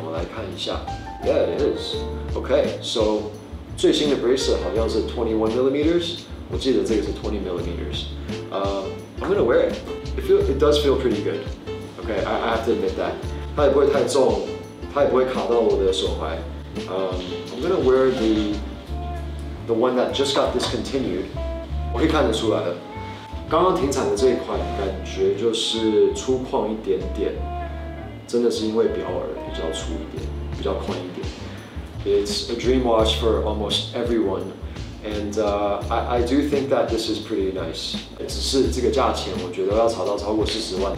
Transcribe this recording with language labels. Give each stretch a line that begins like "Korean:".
Chinese: 我来看一下 ，
English: Yeah it is. Okay, so
Chinese: 最新的 bracelet 好像是 21 millimeters， 我记得这个是 20 millimeters.
English: I'm gonna wear it. It does feel pretty good. Okay, I have to admit that.
Chinese: 它也不会太重，它也不会卡到我的手踝。
English: I'm gonna wear the one that just got discontinued.
Chinese: 我可以看得出来了，刚刚停产的这一款感觉就是粗犷一点点，真的是因为表耳比较粗一点，比较宽一点。
English: It's a dream watch for almost everyone, and I do think that this is pretty nice.
Chinese: 只是这个价钱，我觉得要炒到超过40万。